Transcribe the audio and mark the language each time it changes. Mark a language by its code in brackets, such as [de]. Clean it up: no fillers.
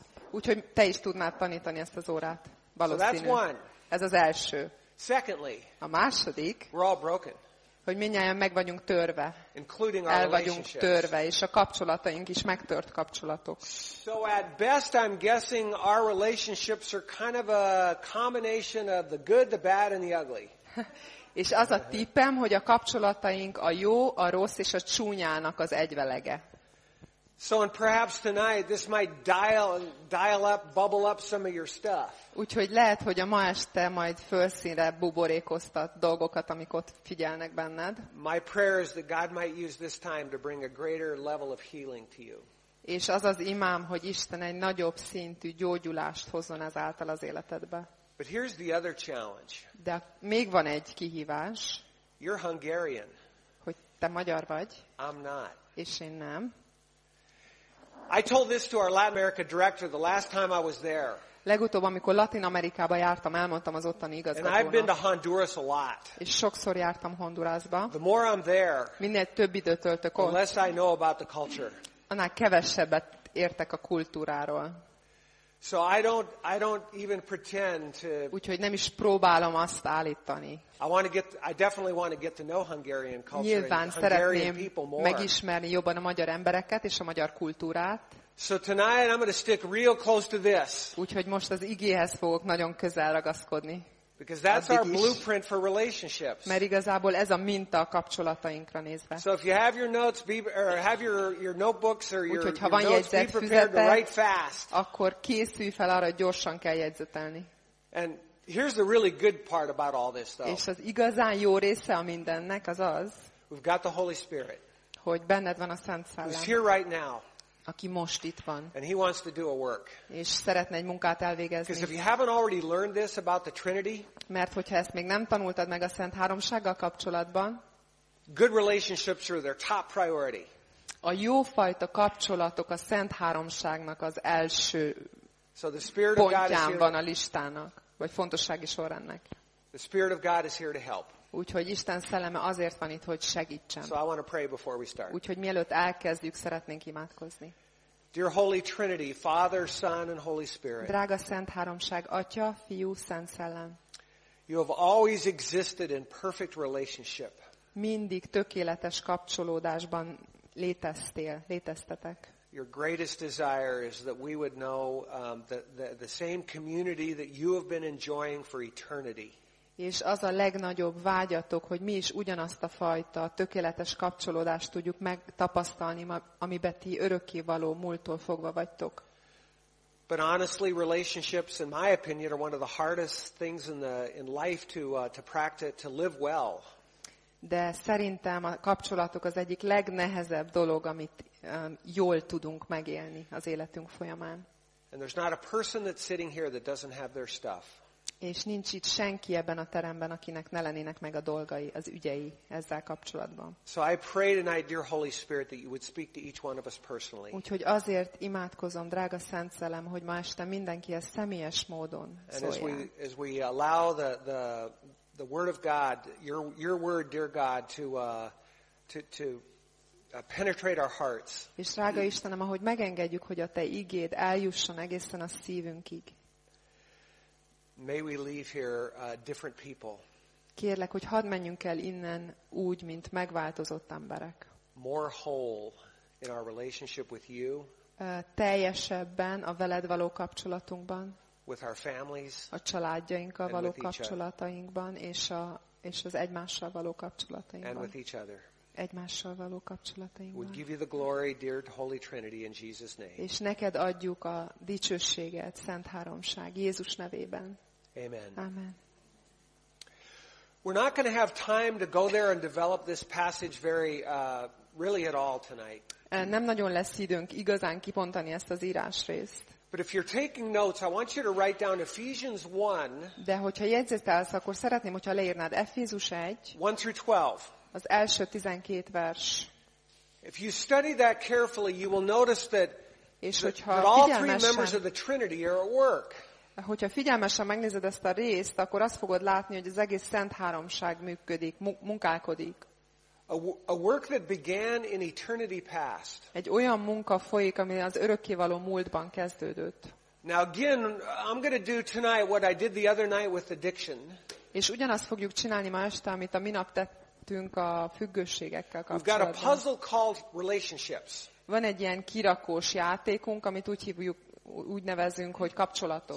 [hu] Úgyhogy te is tudnád tanítani ezt az órát, valószínűleg. [en] So that's one. [hu] Ez az első. [en] Secondly, [hu] a második, [en] we're all broken. [hu] Hogy mindnyájan meg vagyunk törve. [en] Including [hu] el vagyunk törve, és a kapcsolataink is megtört kapcsolatok. [en] So at best I'm guessing our relationships are kind of a combination of the good, the bad and the ugly. [hu] És az a tippem, hogy a kapcsolataink a jó, a rossz és a csúnyának az egyvelege. [en] So and perhaps tonight this might dial up, bubble up some of your stuff. [hu] Úgyhogy lehet, hogy a ma este majd felszínre buborékoztat dolgokat, amik ott figyelnek benned. [en] My prayer is that God might use this time to bring a greater level of healing to you. [hu] És az az imám, hogy Isten egy nagyobb szintű gyógyulást hozzon ezáltal az életedbe. [en] But here's the other challenge. [hu] De még van egy kihívás. [en] You're Hungarian. [hu] Hogy te magyar vagy. [en] I'm not. [hu] És én nem. [en] I told this to our Latin America director the last time I was there. [hu] Legutóbb, amikor Latin Amerikába jártam, elmondtam az ottani igazgatónak. [en] And I've been to Honduras a lot. [hu] És sokszor jártam Hondurasba. [en] The more I'm there, [hu] minél több időt töltök ott, [en] the less I know about the culture. [hu] Annál kevesebbet értek a kultúráról. [en] So I don't even pretend to. [hu] Úgyhogy nem is próbálom azt állítani. [en] I definitely want to get to know Hungarian culture. [hu] Nyilván [en] and [hu] szeretném [en] people more. [hu] Megismerni jobban a magyar embereket és a magyar kultúrát. [en] So tonight I'm going to stick real close to this. [hu] Úgyhogy most az igéhez fogok nagyon közel ragaszkodni. [en] Because that's our blueprint for relationships. [hu] Mert igazából ez a minta a kapcsolatainkra nézve. [en] So if you have your notes, or have your notebooks or your [hu] úgyhogy ha van jegyzetfüzetet, akkor készülj fel arra, hogy gyorsan kell jegyzetelni. [en] And here's the really good part about all this, though. [hu] És az igazán jó része a mindennek az az. [en] We've got the Holy Spirit. [hu] Hogy benned van a Szent Szellem. [en] He's here right now. [hu] Aki most itt van. [en] And he wants to do a work. [hu] És szeretne egy munkát elvégezni. [en] Because if you haven't already learned this about the Trinity, [hu] mert hogyha ezt még nem tanultad meg a Szent Háromsággal kapcsolatban, [en] good relationships are their top priority. [hu] A jó fajta kapcsolatok a Szent Háromságnak az első [en] so the Spirit [hu] pontján [en] of God is here [hu] van a listának, vagy fontossági sorrendnek. [en] The Spirit of God is here to help. [hu] Úgyhogy Isten szelleme azért van itt, hogy segítsen. [en] So I want to pray before we start. [hu] Úgyhogy mielőtt elkezdjük, szeretnénk imádkozni. [en] Dear Holy Trinity, Father, Son and Holy Spirit. [hu] Drága Szent Háromság, Atya, Fiú, Szent Szellem. [en] You have always existed in perfect relationship. [hu] Mindig tökéletes kapcsolódásban léteztél, léteztetek. [en] Your greatest desire is that we would know the same community that you have been enjoying for eternity. [hu] És az a legnagyobb vágyatok, hogy mi is ugyanazt a fajta tökéletes kapcsolódást tudjuk megtapasztalni, amiben ti örökké való múlttól fogva vagytok. [en] But honestly, relationships, in my opinion, are one of the hardest things in life to practice, to live well. [hu] De szerintem a kapcsolatok az egyik legnehezebb dolog, amit jól tudunk megélni az életünk folyamán. [en] And there's not a person that's sitting here that doesn't have their stuff. [hu] És nincs itt senki ebben a teremben, akinek ne lennének meg a dolgai, az ügyei ezzel kapcsolatban. [en] So I pray tonight, dear Holy Spirit, that you would speak to each one of us personally. [hu] Úgyhogy azért imádkozom, drága Szent Szellem, hogy ma este mindenkihez személyes módon szólják. [en] And as we allow the word of God, your word, dear God, to penetrate our hearts. [hu] És drága Istenem, ahogy megengedjük, hogy a te igéd eljusson egészen a szívünkig. [en] May we leave here different people. [hu] Kérlek, hogy hadd menjünk el innen úgy, mint megváltozott emberek. [en] More whole in our relationship with you. [hu] Teljesebben a veled való kapcsolatunkban. [en] With our families. [hu] A családjainkkal való kapcsolatainkban és az egymással való kapcsolatainkban. [en] And with each other. [hu] Egymással való kapcsolatainkban. [en] We give you the glory, dear Holy Trinity, in Jesus' name. [hu] És neked adjuk a dicsőséget, Szent Háromság, Jézus nevében. [en] Amen. [hu] Amen. [en] We're not going to have time to go there and develop this passage very really at all tonight. [hu] Nem nagyon lesz időnk igazán kipontani ezt az írásrészt. [en] But if you're taking notes, I want you to write down Ephesians 1. [hu] De hogyha jegyzetelsz, akkor szeretném, hogyha leírnád Efézus 1. [en] 1 through 12. [hu] Az első 12 vers. [en] If you study that carefully, you will notice that all three members of the Trinity are at work. [hu] Hogyha figyelmesen megnézed ezt a részt, akkor azt fogod látni, hogy az egész Szent Háromság működik, munkálkodik. [en] A work that began in eternity past. [hu] Egy olyan munka folyik, ami az örökkévaló múltban kezdődött. [en] Now again, I'm going to do tonight what I did the other night with addiction. [hu] És ugyanazt fogjuk csinálni ma este, amit a minap tett. A függőségekkel kapcsolatban. [en] We've got a puzzle called relationships. [hu] Van egy ilyen kirakós játékunk, amit úgy hívjuk, úgy nevezünk, hogy kapcsolatok.